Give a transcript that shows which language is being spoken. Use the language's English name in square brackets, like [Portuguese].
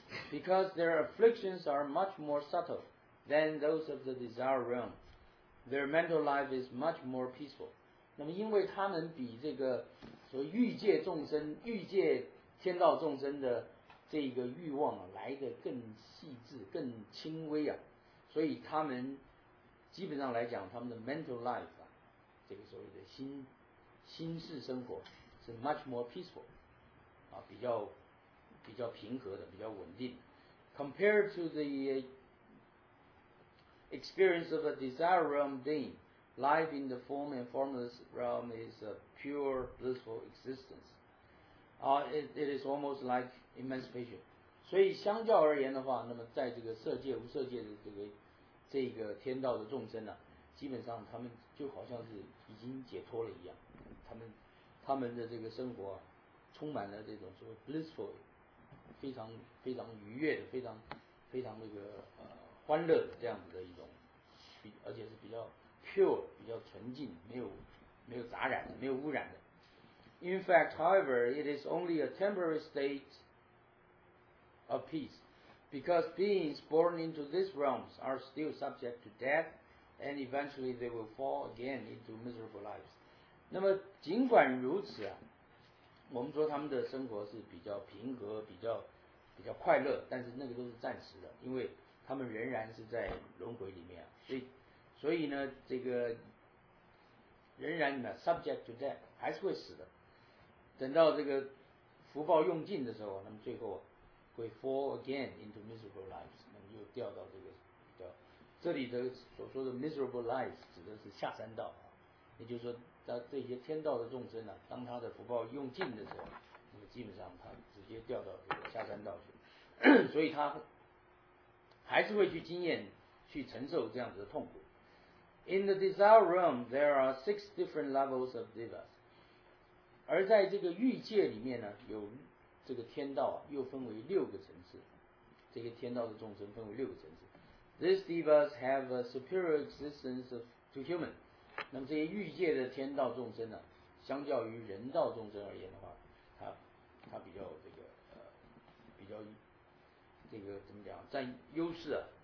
[English] Because their afflictions are much more subtle than those of the desire realm, their mental life is much more peaceful. [Chinese] 那么因为他们比这个所谓欲界众生、欲界天道众生的这个欲望啊，来得更细致、更轻微啊。所以他们基本上来讲，他们的 [English] mental life [Chinese] 啊，这个所谓的心事生活是 [English] much more peaceful [Chinese] 啊，比较平和的，比较稳定。 [English] Compared to the experience of a desire realm being, life in the form and formless realm is a pure blissful existence. It is almost like emancipation. [Chinese] 所以相较而言的话，那么在这个色界、无色界的这个天道的众生呢，基本上他们就好像是已经解脱了一样，他们的这个生活充满了这种说 blissful， 非常非常愉悦的，非常非常那个欢乐的这样子的一种，而且是比较 pure， 比较纯净，没有杂染的，没有污染的。 [English] In fact, however, it is only a temporary state of peace.Because beings born into these realms are still subject to death, and eventually they will fall again into miserable lives. [Chinese] 那么尽管如此啊，我们说他们的生活是比较平和、比较快乐，但是那个都是暂时的，因为他们仍然是在轮回里面，所以呢，这个仍然呢 [English] subject to death [Chinese] 还是会死的。等到这个福报用尽的时候，那么最后会 [English] fall again into miserable lives， [Chinese] 那么又掉到这个叫这里的所说的 [English] miserable lives [Chinese] 指的是下三道，也就是说，当这些天道的众生呢，当他的福报用尽的时候，那么基本上他直接掉到这个下三道去，所以他还是会去经验、去承受这样子的痛苦。 [English] In the desire realm, there are six different levels of devas. [Chinese] 而在这个欲界里面呢，有这个天道又分为六个层次，这些天道的众生分为六个层次。 [English] These devas have a superior existence of, to human. [Chinese] 那么这些欲界的天道众生呢，相较于人道众生而言的话，他比较这个比较这个怎么讲，占优势啊。